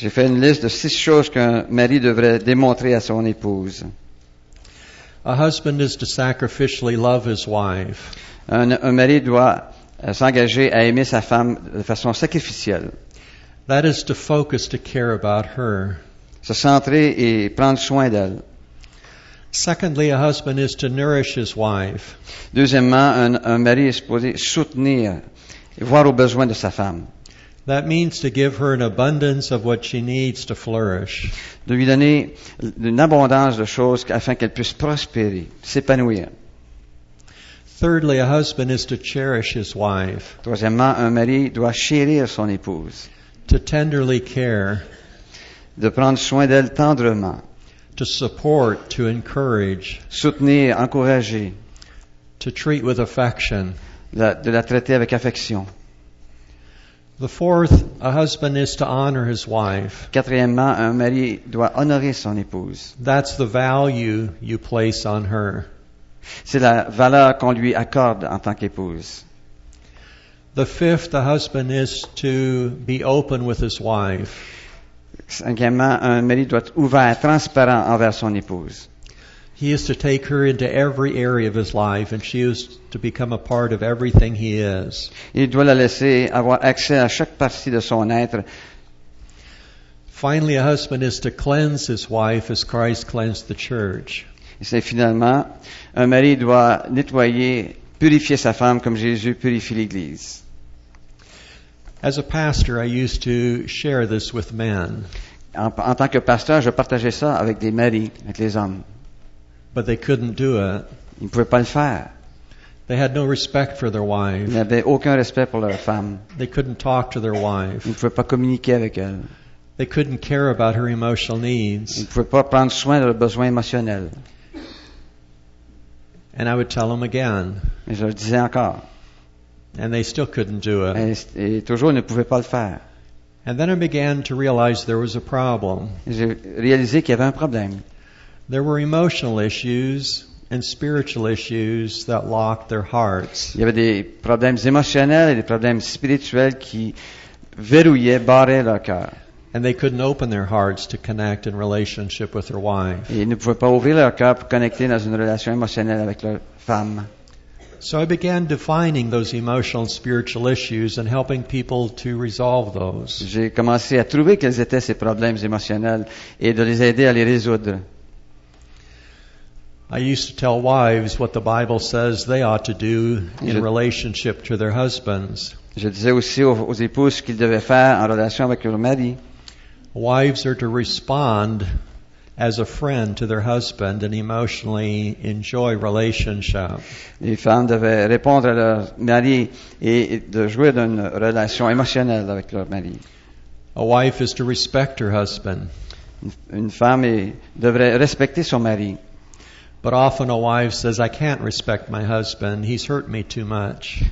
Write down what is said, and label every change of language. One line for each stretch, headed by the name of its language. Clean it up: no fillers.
French: J'ai fait une liste de 6 choses qu'un mari devrait démontrer à son épouse.
English: A husband is to sacrificially love his wife.
French: Un mari doit s'engager à aimer sa femme de façon sacrificielle.
English: That is to focus to care about her.
French: Se centrer et prendre soin d'elle.
English: Secondly, a husband is to nourish his wife.
French: Deuxièmement, un mari est supposé soutenir et voir aux besoins de sa femme.
English: That means to give her an abundance of what she needs to flourish.
French: De lui donner une abondance de choses afin qu'elle puisse prospérer, s'épanouir.
English: Thirdly, a husband is to cherish his wife.
French: Troisièmement, un mari doit chérir son épouse.
English: To tenderly care.
French: De prendre soin d'elle tendrement.
English: To support, to encourage.
French: Soutenir, encourager.
English: To treat with affection.
French: De la traiter avec affection.
English: The fourth, a husband is to honor his wife.
French: Quatrièmement, un mari doit honorer son épouse.
English: That's the value you place on her.
French: C'est la valeur qu'on lui accorde en tant qu'épouse.
English: The fifth, a husband is to be open with his wife.
French: Cinquièmement, un mari doit être ouvert, transparent envers son épouse.
English: He is to take her into every area of his life, and she is to become a part of everything he is.
French: Il doit la laisser avoir accès à chaque partie de son être.
English: Finally, a husband is to cleanse his wife as Christ cleansed the church.
French: Et c'est finalement, un mari doit nettoyer, purifier sa femme comme Jésus purifie l'Église.
English: As a pastor, I used to share this with men.
French: En tant que pasteur, je partageais ça avec des maris, avec les hommes.
English: But they couldn't do it.
French: Ils ne pouvaient pas le faire.
English: They had no respect for their wife.
French: Ils n'avaient aucun respect pour leur femme.
English: They couldn't talk to their wife.
French: Ils ne pouvaient pas communiquer avec elle.
English: They couldn't care about her emotional needs.
French: Ils ne pouvaient pas prendre soin de leurs besoins émotionnels.
English: And I would tell them again.
French: Et je leur disais encore.
English: And they still couldn't do it.
French: Et toujours, ils ne pouvaient pas le faire.
English: And then I began to realize there was a problem.
French: J'ai réalisé qu'il y avait un problème.
English: There were emotional issues and spiritual issues that locked their hearts.
French: Il y avait des problèmes émotionnels et des problèmes spirituels qui verrouillaient, barraient leur cœur.
English: And they couldn't open their hearts to connect in relationship with their wife.
French: Et ils ne pouvaient pas ouvrir leur cœur pour connecter dans une relation émotionnelle avec leur femme.
English: So I began defining those emotional and spiritual issues and helping people to resolve those.
French: J'ai commencé à trouver quels étaient ces problèmes émotionnels et de les aider à les résoudre.
English: I used to tell wives what the Bible says they ought to do in relationship to their husbands.
French: Je disais aussi aux épouses ce qu'ils devaient faire en relation avec leur mari.
English: Wives are to respond as a friend to their husband and emotionally enjoy relationship.
French: Les femmes devaient répondre à leur mari et de jouir d'une relation émotionnelle avec leur mari.
English: A wife is to respect her husband.
French: Une femme devrait respecter son mari.
English: But often a wife says, I can't respect my husband, he's hurt me too much.